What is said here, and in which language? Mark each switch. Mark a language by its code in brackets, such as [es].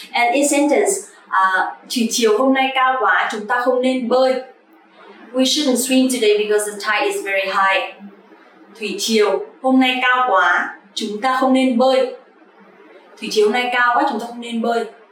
[en] And in sentence, [vi] thủy triều hôm nay cao quá, chúng ta không nên bơi. [en] We shouldn't swim today because the tide is very high. [vi] Thủy triều hôm nay cao quá, chúng ta không nên bơi. Thủy triều hôm nay cao quá, chúng ta không nên bơi.